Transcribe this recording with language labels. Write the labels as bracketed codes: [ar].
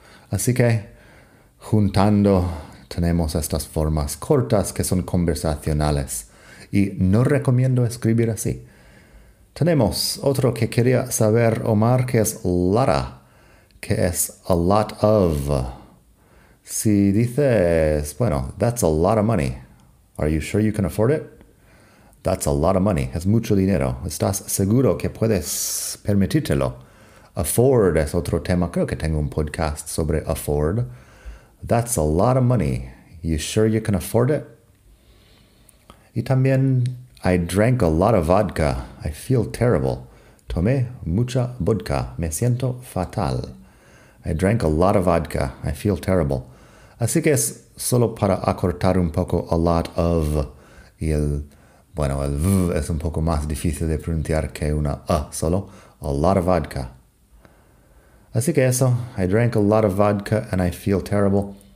[es] Así que juntando tenemos estas formas cortas que son conversacionales. Y no recomiendo escribir así. Tenemos otro que quería saber, Omar, que es Lara, que es [en] a lot of. [es] Si dices, bueno, [en] that's a lot of money. Are you sure you can afford it? That's a lot of money. [es] Es mucho dinero. ¿Estás seguro que puedes permitírtelo? Afford es otro tema. Creo que tengo un podcast sobre afford. [en] That's a lot of money. You sure you can afford it? [es] Y también, [en] I drank a lot of vodka. I feel terrible. [es] Tomé mucha vodka. Me siento fatal. [en] I drank a lot of vodka. I feel terrible. [es] Así que es solo para acortar un poco [en] a lot of. [es] Y el v es un poco más difícil de pronunciar que una a solo. [en] A lot of vodka. [es] Así que eso. [en] I drank a lot of vodka and I feel terrible.